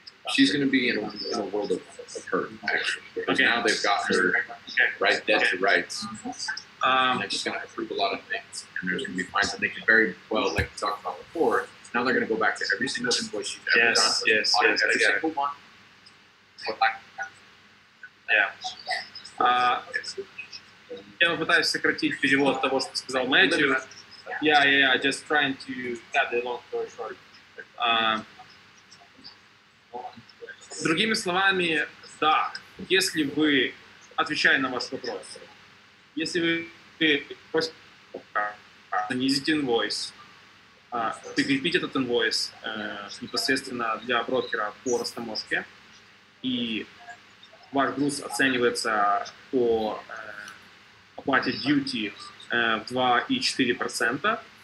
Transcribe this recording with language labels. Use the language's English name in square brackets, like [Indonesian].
[English] She's going to be in a world of hurt, actually. Okay. Now they've got her, right, dead okay. to rights. And she's going to approve a lot of things. And there's going to be fines that they can very well, like we talked about before, now they're going to go back to every single invoice she's ever done. Yes, every single one. [Russian] Я попытаюсь сократить перевод того, что сказал Мэтью. [English] Yeah, just trying to cut the long story short. [Russian] Другими словами, да, если вы, отвечая на ваш вопрос, если вы снизите инвойс, прикрепить этот инвойс непосредственно для брокера по растаможке, и ваш груз оценивается по оплате duty в 2,4%.